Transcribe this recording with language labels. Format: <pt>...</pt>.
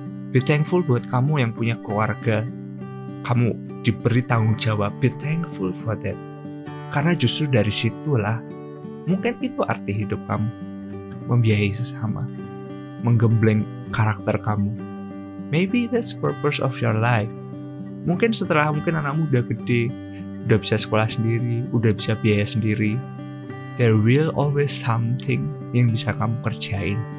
<en>Be thankful</en> <id>buat kamu yang punya keluarga, kamu diberi tanggung jawab.</id> <en>Be thankful for that.</en> <id>Karena justru dari situlah, mungkin itu arti hidup kamu, membiayai sesama, menggembleng karakter kamu.</id> <en>Maybe that's purpose of your life.</en> <id>Mungkin setelah mungkin anakmu udah gede, udah bisa sekolah sendiri, udah bisa biaya sendiri,</id> <en>there will always something</en> <id>yang bisa kamu kerjain.</id>